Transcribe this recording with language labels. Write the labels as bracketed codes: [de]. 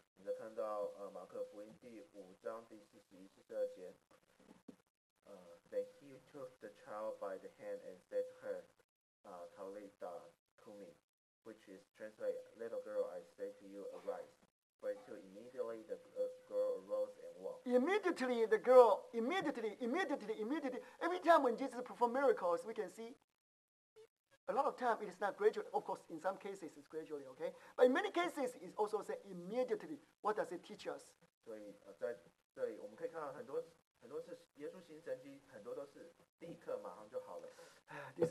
[zh] 你再看到马可福音第五章第41-42节。 [en] Then he took the child by the hand and said to her, Talitha Kumi, which is translated, little girl, I say to you, arise. But immediately the girl arose and walked. Immediately the girl, immediately. Every time when Jesus performed miracles, we can see a lot of time it is not gradual. Of course, in some cases it's gradually, okay? But in many cases, it also says immediately. What does it teach us? [zh] 所以在这里我们可以看到很多次耶稣行神迹，很多都是立刻马上就好了。 [en] This